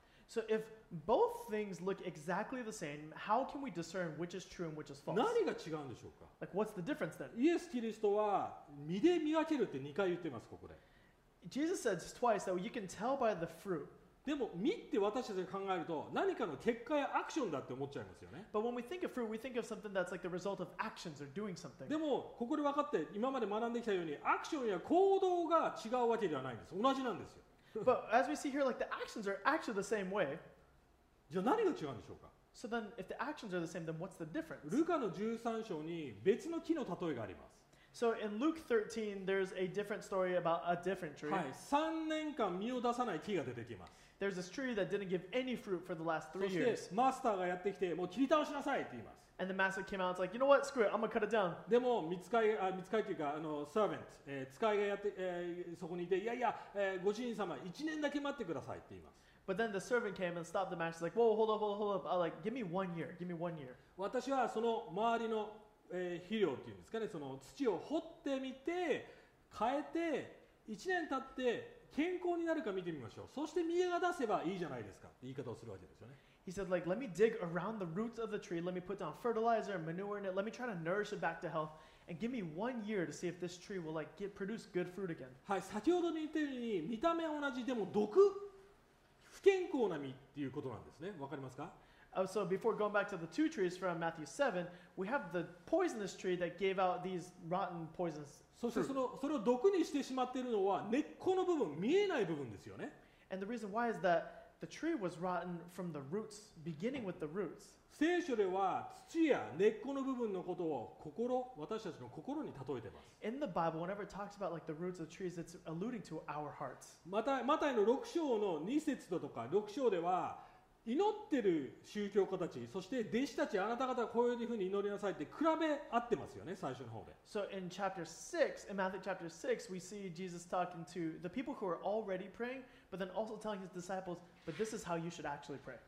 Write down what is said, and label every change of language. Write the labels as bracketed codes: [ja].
[en] So if both things look exactly the same. How can we discern which is true and which is false? [ja] 何が違うんでしょうか? [en] Like, what's the difference then? [ja] イエス・キリストは身で見分けるって2回言ってます、ここで。 [en] Jesus says twice that you can tell by the fruit. [ja] でも実って私たちが考えると何かの結果やアクションだって思っちゃいますよね。 [en] But when we think of fruit, we think of something that's like the result of actions or doing something. [ja] でもここで分かって今まで学んできたようにアクションや行動が違うわけではないんです。同じなんですよ。 [en] But as we see here, like the actions are actually the same way. [ja] じゃあ何が違うんでしょうか。 [en] So then, if the actions are the same, then what's the difference? [ja] ルカの13章に別の木の例えがあります。 [en] So in Luke 13, there's a different story about a different tree. [ja] はい、3年間実を出さない木が出てきます。 [en] There's this tree that didn't give any fruit for the last three years. [ja] そしてマスターがやってきて、もう切り倒しなさいって言います。 [en] And the master came out and was like, you know what? Screw it. I'm gonna cut it down. [ja] でも見つかいというかservant、使いがやって、そこにいて、いやいや、ご主人様、1年だけ待ってくださいって言います。 [en] But then the servant came and stopped the master. Like, whoa, hold up. I'm like, give me one year. [ja] 肥料っていうんですかね、その土を掘ってみて変えて1年経って健康になるか見てみましょう。そして実が出せばいいじゃないですかって言い方をするわけですよね。 [en] He said like, let me dig around the roots of the tree, let me put down fertilizer and manure in it, let me try to nourish it back to health, and give me one year to see if this tree will like get produce good fruit again. [ja] はい、先ほどに言ったように見た目は同じでも毒不健康な実っていうことなんですね。わかりますか？ [en] So before going back to the two trees from Matthew 7, we have the poisonous tree that gave out these rotten poisons. [ja] そしてそれを毒にしてしまっているのは根っこの部分、見えない部分ですよね。 [en] And the reason why is that the tree was rotten from the roots, beginning with the roots. [ja] 聖書では土や根っこの部分のことを心、私たちの心に例えてます。 [en] In the Bible, whenever it talks about like the roots of trees, it's alluding to our hearts. [ja] マタイの6章の2節だとか、6章では祈ってる宗教家たち、そして弟子たち、あなた方はこういうふうに祈りなさいって比べ合ってますよね、最初の方で。 [en] So in chapter 6, in Matthew chapter 6, we see Jesus talking to the people who are already praying, but then also telling his disciples, but this is how you should actually pray.